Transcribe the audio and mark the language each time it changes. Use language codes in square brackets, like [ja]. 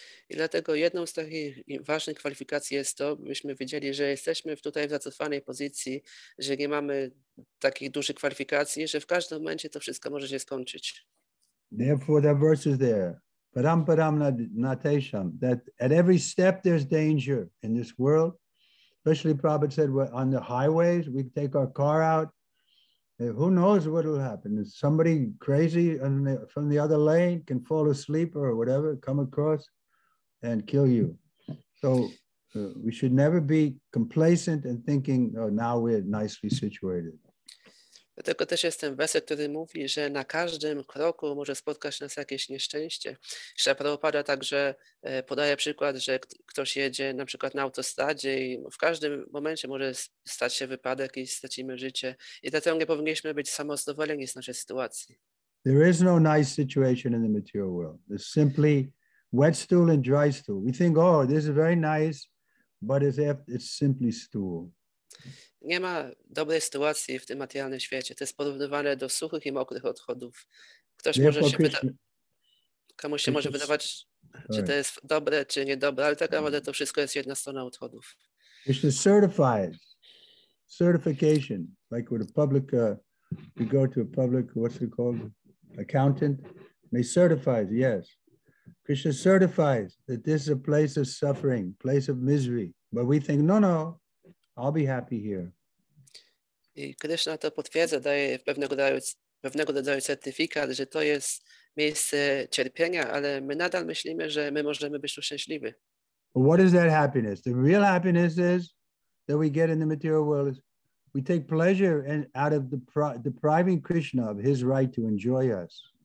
[pl] I dlatego jedną z takich ważnych kwalifikacji jest to, byśmy wiedzieli, że jesteśmy tutaj w zacofanej pozycji, że nie mamy takich dużych kwalifikacji, że w każdym momencie to wszystko może się skończyć. [en] Therefore, that verse is there. Paramparam natesham, that at every step there's danger in this world. Especially Prabhupada said, we're on the highways, we take our car out. Who knows what will happen? Is somebody crazy from the other lane can fall asleep or whatever, come across and kill you. So we should never be complacent and thinking, oh, now we're nicely situated. [pl] Dlatego też jestem wesel, który mówi, że na każdym kroku może spotkać nas jakieś nieszczęście. Śla Prabhupada także podaje przykład, że ktoś jedzie na przykład na autostradzie i w każdym momencie może stać się wypadek i stracimy życie. I dlatego nie powinniśmy być samozadowoleni z naszej sytuacji. [en] There is no nice situation in the material world. There's simply wet stool and dry stool. We think, oh, this is very nice, but it's simply stool. [pl] Nie ma dobrej sytuacji w tym materialnym świecie. To jest porównywane do suchych i mokrych odchodów. Ktoś może się pyta, komuś się może wydawać, czy to jest dobre, czy niedobre, ale tak naprawdę to wszystko jest jedna strona odchodów. [en] Krishna certifies certification, like with a public, you go to a public, what's it called, accountant, they certify, yes. Krishna certifies that this is a place of suffering, place of misery, but we think, no, no, I'll be happy here. [pl] I Krishna to potwierdza, daje pewnego rodzaju certyfikat, że to jest miejsce cierpienia, ale my nadal myślimy, że my możemy być tu szczęśliwi. [en] What is that happiness? The real happiness is that we get in the material world. We take pleasure out of depriving Krishna of his right to enjoy us.